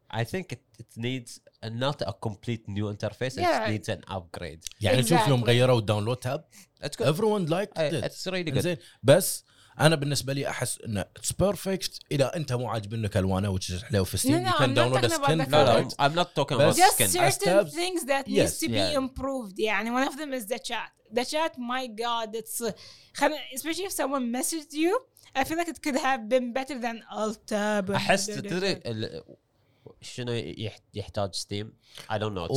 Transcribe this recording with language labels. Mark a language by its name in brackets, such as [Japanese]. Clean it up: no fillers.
[English] I think it needs and not a complete new interface it needs an upgrade [Arabic] يعني exactly. شوف يوم غيروا الداونلود تاب everyone liked it [English] it's really good [Arabic] انزين. بس انا بالنسبه لي احس انه it's perfect اذا انت مو عاجبنك الوانه which is حلو في ستيم [English] you can download a skin no no I'm not talking about skin just certain things that yes. needs to be improved يعني one of them is the chat my god it's especially if someone messaged you I feel like it could have been better than alt tab [Arabic] احس تدري شنو يحتاج ستيم I don't know